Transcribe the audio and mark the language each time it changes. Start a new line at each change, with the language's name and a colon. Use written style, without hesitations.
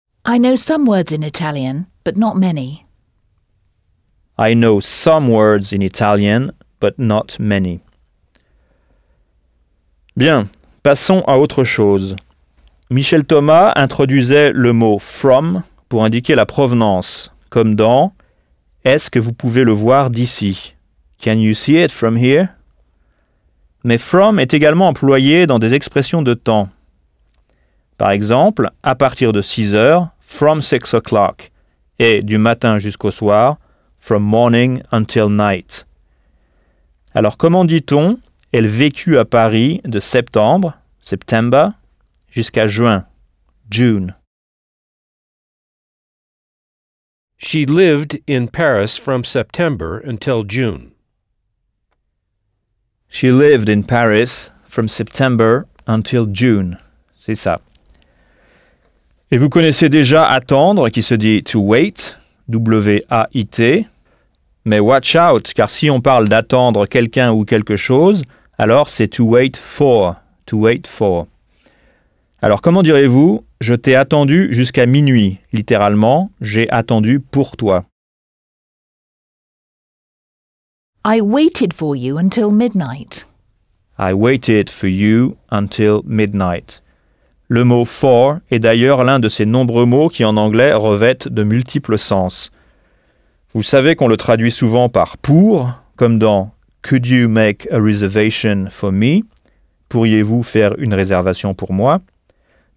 English: I know some words in Italian, but not many. I know some words in Italian, but not many.
French: Bien, passons à autre chose. Michel Thomas introduisait le mot from pour indiquer la provenance, comme dans Est-ce que vous pouvez le voir d'ici?
English: Can you see it from here?
French: Mais from est également employé dans des expressions de temps. Par exemple, à partir de 6 heures,
English: from 6 o'clock,
French: et du matin jusqu'au soir,
English: from morning until night.
French: Alors comment dit-on, elle vécut à Paris de septembre, September, jusqu'à juin, June.
English: She lived in Paris from September until June. She lived in Paris from September until June.
French: C'est ça. Et vous connaissez déjà « attendre » qui se dit « to wait », W-A-I-T. Mais «
English: watch out
French: », car si on parle d'attendre quelqu'un ou quelque chose, alors c'est « to wait for », to wait for. Alors comment direz-vous « je t'ai attendu jusqu'à minuit », littéralement « j'ai attendu pour toi ».
English: I waited for you until midnight. I waited for you until midnight.
French: Le mot « for » est d'ailleurs l'un de ces nombreux mots qui en anglais revêtent de multiples sens. Vous savez qu'on le traduit souvent par « pour », comme dans «
English: could you make a reservation for me
French: »« pourriez-vous faire une réservation pour moi ?»